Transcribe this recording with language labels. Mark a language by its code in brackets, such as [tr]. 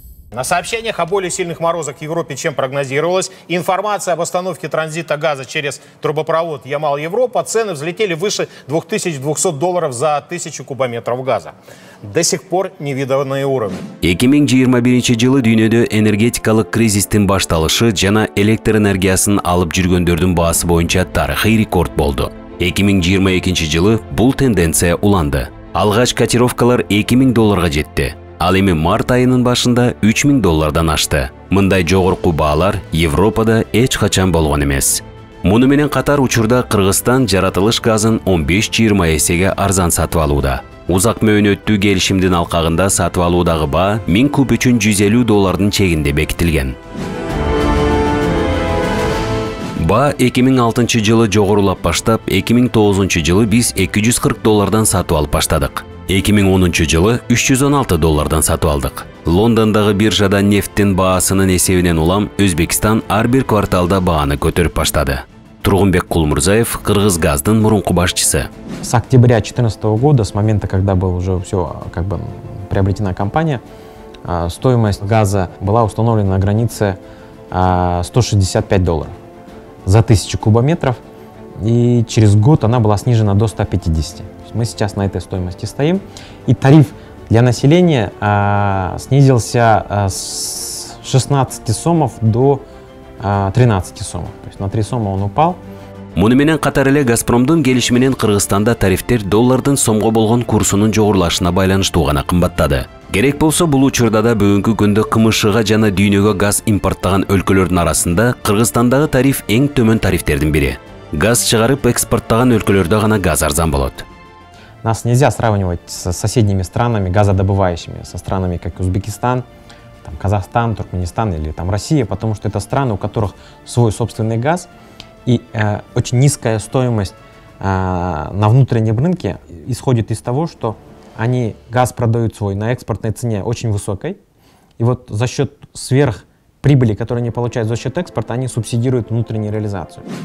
[ru] На сообщениях о более сильных морозах в Европе, чем прогнозировалось, информация об остановке транзита газа через трубопровод Ямал-Европа, цены взлетели выше $2200 за 1000 кубометров газа. До сих пор невиданные уровни. [ky] 2021 жылы дүйнөдө энергетикалык кризистин башталышы жана электр энергиясын алып жүргөндөрдүн баасы боюнча тарыхый рекорд болду. 2022 жылы бул тенденция уланды. Алгач котировкалар $2000 жетти. Ал эми март айынын башында $3000 ашты. Мындай жогорку баалар Европада эч качан болгон эмес. Муну менен катар учурда Кыргызстан жаратылыш газын 15-20 эсеге арзан сатып алууда. Узак мөөнөттүү келишимдин алкагында сатып алуудагы баа 1000 куб үчүн $150 чегинде бекитилген. Баа 2006 жылы жогорулап баштап, 2009 жылы биз $240 сатып алып баштадык. 2010 жылы $316 сатып алдык. Лондондагы биржада нефттин баасынын эсебинен улам Өзбекстан ар бир кварталда бааны көтөрүп баштады. Тургунбек Кулмурзаев, Кыргыз газдын мурунку башчысы. [ru] С октября 2014 года, с момента, когда был уже все как бы приобретена компания, стоимость газа была установлена на границе $165 за 1000 кубометров. И через год она была снижена до 150. Мы сейчас на этой стоимости стоим. И тариф для населения снизился с 16 сомов до 13 сомов. То есть на 3 сома он упал. [ky] Муну менен катар эле Газпромдун келишиминен Кыргызстанда тарифтер доллардын сомго болгон курсунун жогорулашына байланыштуу гана кымбаттады. Керек болсо бул учурда да бүгүнкү күндө КМШ-га жана дүйнөгө газ импорттаган өлкөлөрдүн арасында Кыргызстандагы тариф эң төмөн тарифтердин бири. Газ чыгарып экспорттаган өлкөлөрдө гана газ арзан болот. [ru] Нас нельзя сравнивать с соседними странами, газодобывающими, со странами, как Узбекистан, там, Казахстан, Туркменистан или там, Россия, потому что это страны, у которых свой собственный газ и очень низкая стоимость на внутреннем рынке исходит из того, что они газ продают свой на экспортной цене очень высокой, и вот за счет сверх прибыли, которые они получают за счет экспорта, они субсидируют внутреннюю реализацию.